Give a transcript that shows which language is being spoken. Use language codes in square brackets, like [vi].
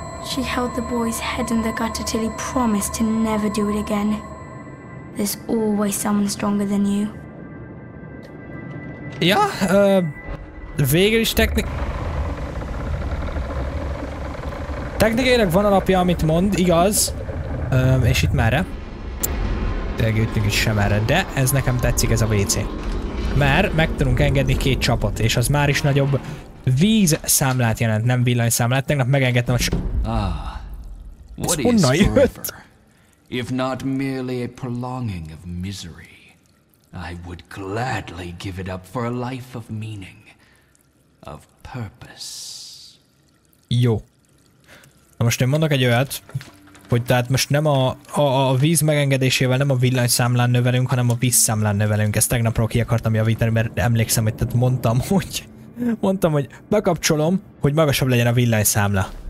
[en] She held the boy's head in the gutter till he promised to never do it again. There's always someone stronger than you. [hu] Ja, végül is technikailag van alapja, amit mond, igaz. És itt merre? Tegyünk itt sem erre, de ez nekem tetszik, ez a WC. Mert meg tudunk engedni két csapot, és az már is nagyobb vízszámlát jelent, nem villanyszámlát. Tegnap megengedtem a [en] What is forever, if not merely a prolonging of misery? I would gladly give it up for a life of meaning, of purpose. [hu] Jó. Na most én mondok egy olyat, hogy tehát most nem a víz megengedésével, nem a villanyszámlán növelünk, hanem a vízszámlán növelünk. Ezt tegnapról ki akartam javítani, mert emlékszem, hogy tehát mondtam, hogy bekapcsolom, hogy magasabb legyen a villanyszámla.